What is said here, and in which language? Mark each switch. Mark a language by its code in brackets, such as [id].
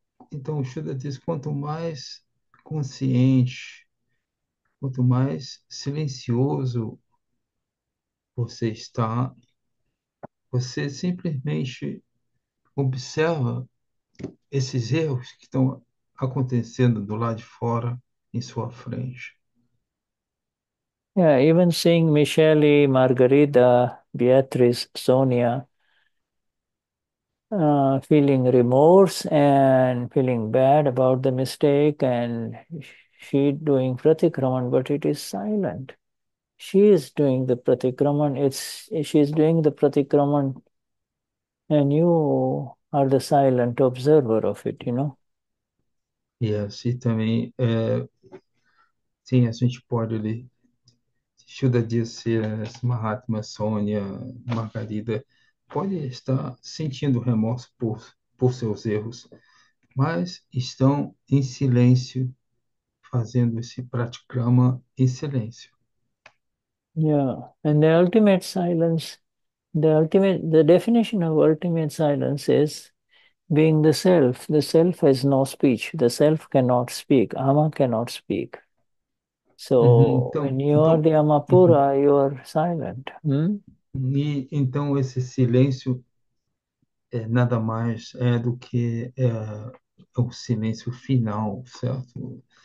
[pt] Então, Shuddha diz, quanto mais consciente, quanto mais silencioso você está, você simplesmente observa esses erros que estão acontecendo do lado de fora, em sua frente. [en] Yeah, even seeing Michele, Margarida, Beatrice, Sonia, feeling remorse and feeling bad about the mistake, and she doing pratikraman, but it is silent. She is doing the pratikraman. She is doing the pratikraman, and you are the silent observer of it, you know? [pt] E assim também, sim, a gente pode ali, Shuddha disse, Mahatma, Sônia, Margarida, pode estar sentindo remorso por por seus erros, mas estão em silêncio, fazendo esse pratikrama em silêncio. [en] And the ultimate silence, the definition of ultimate silence is being the self. The self has no speech. The self cannot speak. Ama cannot speak. So [pt] Então, [en] when you are the Amapura, you are silent. [pt] e então esse silêncio é nada mais é do que o silêncio final, certo?